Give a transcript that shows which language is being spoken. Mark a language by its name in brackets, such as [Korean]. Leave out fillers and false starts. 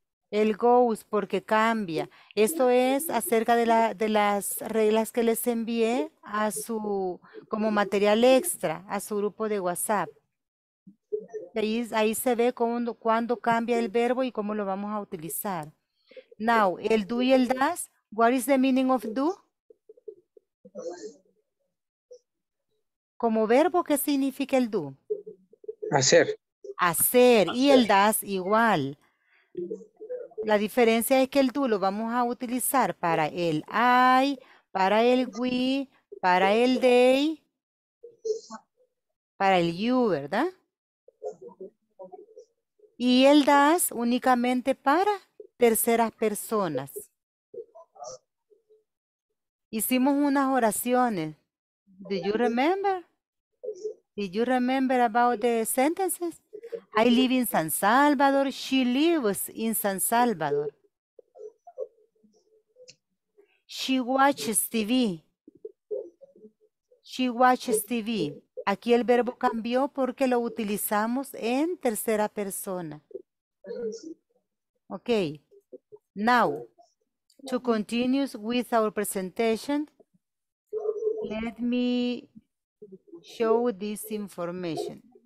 [Spanish] El goes porque cambia. Esto es acerca de, de las reglas que les envié a su, como material extra a su grupo de WhatsApp. Ahí, ahí se ve cuándo cambia el verbo y cómo lo vamos a utilizar. [English] Now, [Spanish] el do y el does, [English] what is the meaning of do? [Spanish] Como verbo, ¿qué significa el do? Hacer. Hacer, y el does igual. La diferencia es que el do lo vamos a utilizar para el I, para el we, para el they, para el you, ¿verdad? Y el does únicamente para terceras personas. Hicimos unas oraciones. [English] Do you remember? Did you remember about the sentences? I live in San Salvador. She lives in San Salvador. She watches TV. She watches TV. [Spanish] Aquí el verbo cambió porque lo utilizamos en tercera persona. Okay. [English] Now, to continue with our presentation, let me show this information.